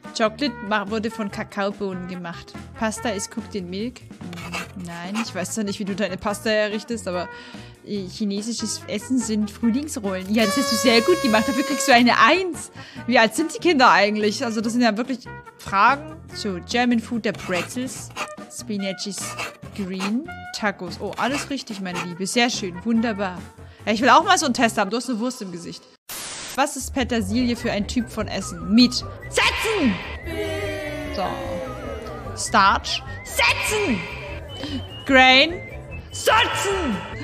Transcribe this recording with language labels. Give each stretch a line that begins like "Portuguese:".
German: Chocolate wurde von Kakaobohnen gemacht. Pasta ist
English: cooked in Milk.
German: Nein, ich weiß zwar nicht, wie du deine Pasta errichtest, aber chinesisches Essen sind Frühlingsrollen. Ja, das hast du sehr gut gemacht. Dafür kriegst du eine 1. Wie alt sind die Kinder eigentlich? Also, das sind ja wirklich Fragen. So, German Food, der Pretzels.
English: Spinach is green. Tacos.
German: Oh, alles richtig, meine Liebe. Sehr schön, wunderbar. Ja, ich will auch mal so einen Test haben. Du hast eine Wurst im Gesicht. Was ist Petersilie für ein Typ von Essen? Mit setzen! So. Starch? Setzen! Grain? Setzen!